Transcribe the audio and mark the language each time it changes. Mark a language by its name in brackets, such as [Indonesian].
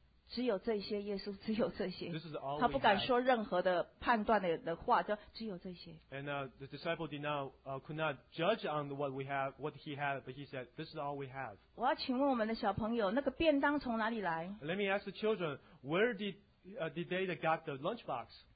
[Chinese] 只有这些，耶稣只有这些。 [English] This is all [Chinese] 他不敢说任何的判断的话，就只有这些。 [English] And the disciple did not could not judge on what we have, what he had, but he said, "This is all we have." [Chinese] 我要请问我们的小朋友，那个便当从哪里来 [English] ？Let me ask the children, where did they got the lunchbox?